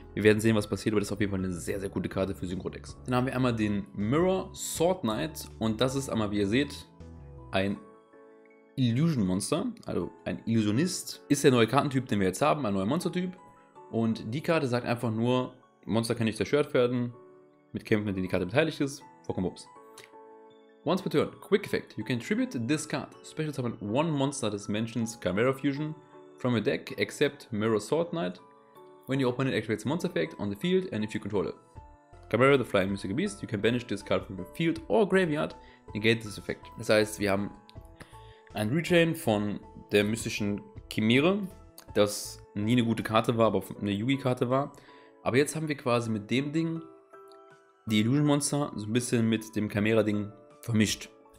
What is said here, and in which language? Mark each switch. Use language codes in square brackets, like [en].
[de] Wir werden sehen, was passiert, aber das ist auf jeden Fall eine sehr, sehr gute Karte für Synchro-Decks. Dann haben wir einmal den Mirror Sword Knight und das ist einmal, wie ihr seht, ein Illusion-Monster, also ein Illusionist. Ist der neue Kartentyp, den wir jetzt haben, ein neuer Monster-Typ. Und die Karte sagt einfach nur, Monster kann nicht zerstört werden. Mit Kämpfen, in denen die Karte beteiligt ist, vollkommen ups. [en] Once per turn, Quick Effect. You can tribute this card. Special summon one monster that mentions Chimera Fusion from your deck, except Mirror Sword Knight. When your opponent activates a monster effect on the field and if you control it. Chimera, the flying mystical beast, you can banish this card from your field or graveyard, negate this effect. [de] Das heißt, wir haben ein Retrain von der mystischen Chimera, das nie eine gute Karte war, aber eine Yugi-Karte war. Aber jetzt haben wir quasi mit dem Ding die Illusion-Monster so ein bisschen mit dem Chimera-Ding vermischt.